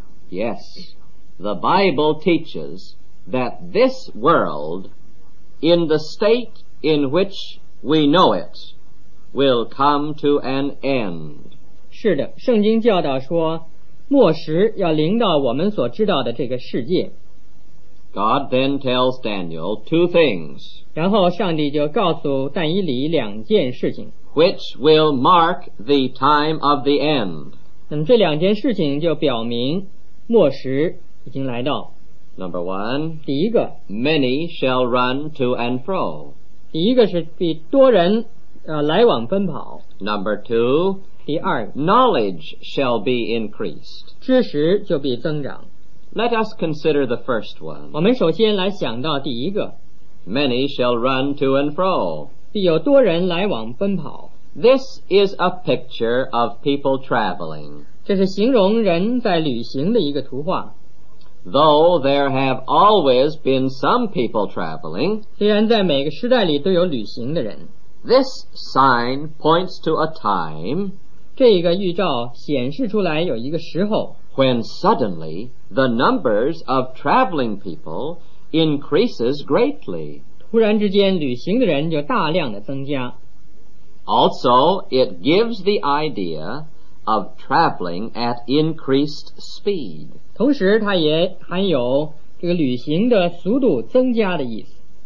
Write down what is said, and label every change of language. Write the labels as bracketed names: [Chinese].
[English] Yes, the Bible teaches that this world, in the state in which we know it, will come to an end. [Chinese] 是的,圣经教导说,末时要临到我们所知道的这个世界。 [English] God then tells Daniel two things. [Chinese] 然后上帝就告诉但以理两件事情。 [English] Which will mark the time of the end. [Chinese] 那么这两件事情就表明末时已经来到。 [English] Number one. [Chinese] 第一个。 [English] Many shall run to and fro. [Chinese] 第一个是比多人来往奔跑。 [English] Number two. [Chinese] 第二。 [English] Knowledge shall be increased. [Chinese] 知识就必增长。 [English] Let us consider the first one. [Chinese] 我们首先来想到第一个。 [English] Many shall run to and fro. [Chinese] 必有多人来往奔跑。 [English] This is a picture of people traveling. [Chinese] 这是形容人在旅行的一个图画。 [English] Though there have always been some people traveling. [Chinese] 虽然在每个时代里都有旅行的人。 [English] This sign points to a time, [Chinese] 这个预兆显示出来有一个时候, [English] when suddenly the numbers of traveling people increases greatly. [Chinese] 突然之间旅行的人就大量的增加。 [English] Also, it gives the idea of traveling at increased speed. [Chinese] 同时它也含有这个旅行的速度增加的意思。